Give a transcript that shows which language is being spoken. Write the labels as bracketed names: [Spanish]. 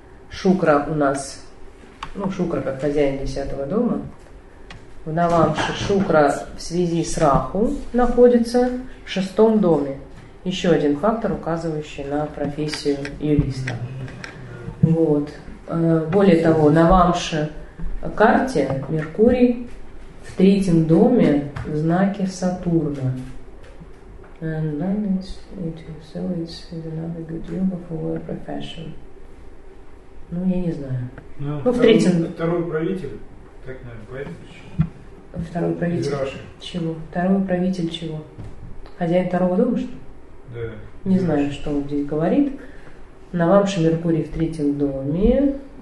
[Russian] Шукра у нас, ну, Шукра как хозяин десятого дома, в Навамше Шукра в связи с Раху находится в шестом доме. Еще один фактор, указывающий на профессию юриста. Вот. Более того, на Навамше карте Меркурий в третьем доме в знаке Сатурна. [English] And then it's another good deal for your profession. [Russian] Ну, я не знаю. Ну, в третьем... Второй правитель, так, наверное, поэтому. Второй правитель? Чего? Второй правитель чего? Хозяин второго дома, что? Да. Не знаю, что он здесь говорит. Навамши Меркурий в третьем доме.